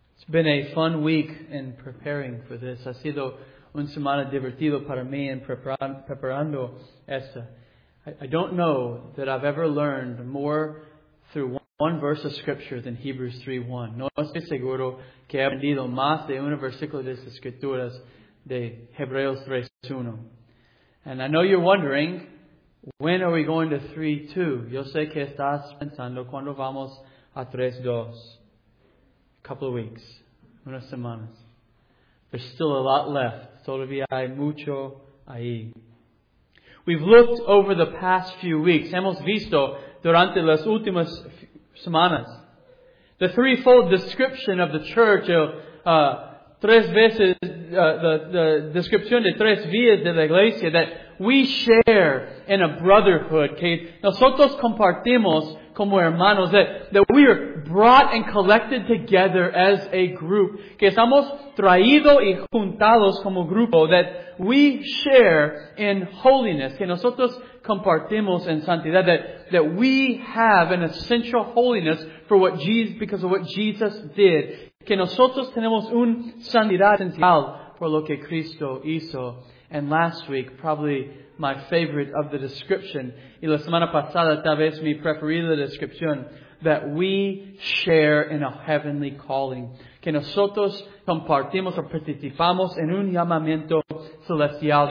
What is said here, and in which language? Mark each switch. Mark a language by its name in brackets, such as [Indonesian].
[English] Been a fun week in preparing for this. [Spanish] Ha sido una semana divertida para mí en preparando esta. [English] I don't know that I've ever learned more through one verse of Scripture than Hebrews 3:1. [Spanish] No estoy seguro que he aprendido más de un versículo de las Escrituras de Hebreos 3:1. [English] And I know you're wondering, when are we going to 3:2? [Spanish] Yo sé que estás pensando, ¿cuándo vamos a 3:2? [English] A couple of weeks. [Spanish] Unas semanas. [English] There's still a lot left. [Spanish] Todavía hay mucho ahí. [English] We've looked over the past few weeks. [Spanish] Hemos visto durante las últimas semanas [English] the threefold description of the church. [Spanish] The descripción de tres vías de la iglesia. [English] That we share in a brotherhood. [Spanish] Que nosotros compartimos como hermanos. [English] That we are brought and collected together as a group. [Spanish] Que estamos traídos y juntados como grupo. [English] That we share in holiness. [Spanish] Que nosotros compartimos en santidad. [English] That we have an essential holiness because of what Jesus did. [Spanish] Que nosotros tenemos un santidad esencial por lo que Cristo hizo. [English] And last week, probably my favorite of the description. [Spanish] Y la semana pasada, tal vez mi preferida descripción. [English] That we share in a heavenly calling. [Spanish] Que nosotros compartimos o participamos en un llamamiento celestial.